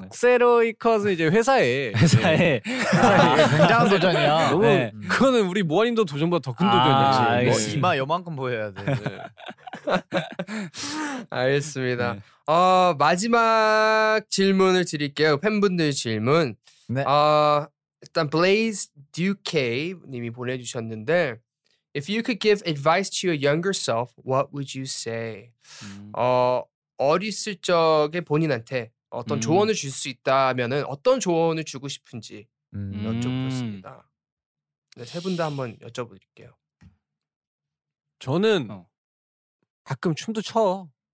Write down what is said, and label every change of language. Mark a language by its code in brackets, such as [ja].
[ko] 박세로이컷은 이제 회사에 네. 굉장한 도전이야. 네. 그거는 우리 모아님도 도전보다 더 큰 도전이지. 이마 요만큼 보여야 돼. 네. 알겠습니다. 네. 마지막 질문을 드릴게요. 팬분들 질문. 네. 일단 Blaze Duke 님이 보내주셨는데 [en] If you could give advice to your younger self, what would you say? [ko] 어렸을 적에 본인한테 어떤 조언을 줄 수 있다면은 어떤 조언을 주고 싶은지 여쭤보겠습니다. 네, 세 분 다 한번 여쭤볼게요. 저는 가끔 춤도 춰.